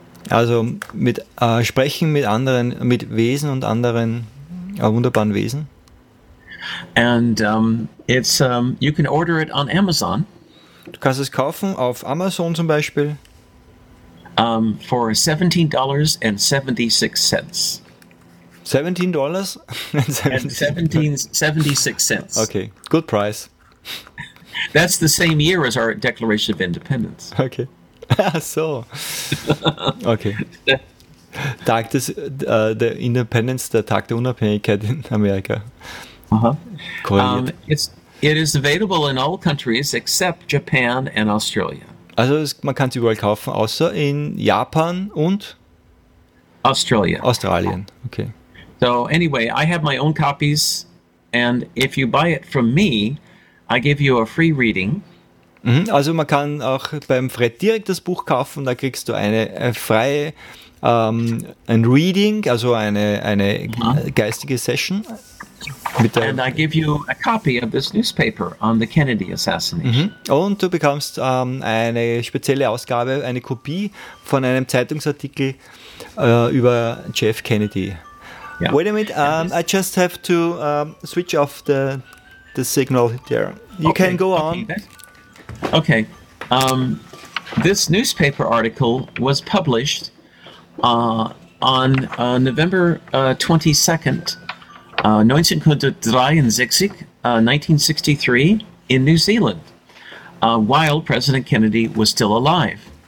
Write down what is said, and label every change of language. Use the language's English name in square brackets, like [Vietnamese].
[German] Also mit sprechen mit anderen, mit Wesen und anderen wunderbaren Wesen. [English] And it's you can order it on Amazon. [German] Du kannst es kaufen auf Amazon zum Beispiel. [English] For $17.76. $17 and 76 cents. Okay, good price. That's the same year as our Declaration of Independence. Okay. So. Okay. [German] Tag des der Independence, der Tag der Unabhängigkeit in Amerika. [English] It is available in all countries except Japan and Australia. [German] Also man kann es überall kaufen, außer in Japan und [English] Australia. [German] Australien. Okay. [English] So anyway, I have my own copies, and if you buy it from me, I give you a free reading. [German] Also man kann auch beim Fred direkt das Buch kaufen, da kriegst du ein Reading, also eine geistige Session. [English] And I give you a copy of this newspaper on the Kennedy assassination. [German] Und du bekommst eine spezielle Ausgabe, eine Kopie von einem Zeitungsartikel über Jeff Kennedy. [English] Yeah. Wait a minute, I just have to switch off the signal there. You can go on. Okay. This newspaper article was published on November 22nd, 1963, in New Zealand, while President Kennedy was still alive.